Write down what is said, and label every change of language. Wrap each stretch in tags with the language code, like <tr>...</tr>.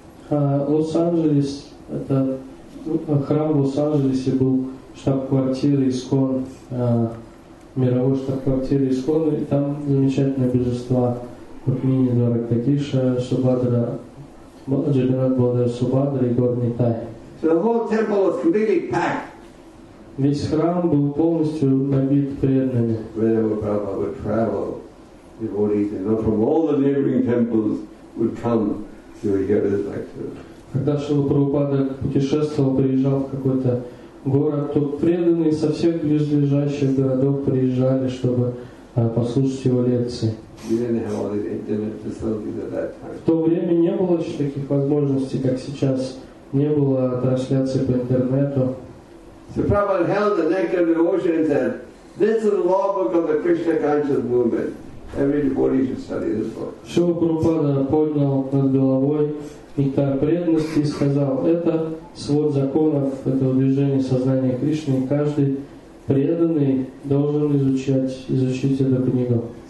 <ru>Лос-Анджелес — это храм в Лос-Анджелесе был штаб-квартира ИСКОН, мировой штаб-квартира ИСКОН, и там замечательные божества Рукмини Дворака Киша, Субхадра, Джаганнат Бхадра Субхадра и Гор Нитай.</ru> <en>So the whole temple was completely packed.</en> <ru>Весь храм был полностью набит преданными.</ru> <en>Wherever Prabhupada would travel, devotees from all the neighboring temples would come to hear his lectures.</en> <ru>Когда Шрила Прабхупада путешествовал, приезжал в какой-то город, то преданные со всех близлежащих городов приезжали, чтобы послушать его лекции. В то время не было таких возможностей, как сейчас. Не было трансляции по интернету.</ru> <en>So Prabhupada held the Nectar of Devotion and said, this is the law book of the Krishna conscious movement. Every devotee should study this book.</en> <ru>Шрила Прабхупада поднял над головой Нектар преданности и сказал, это свод законов этого движения сознания Кришны, и каждый преданный должен изучить эту книгу.</ru>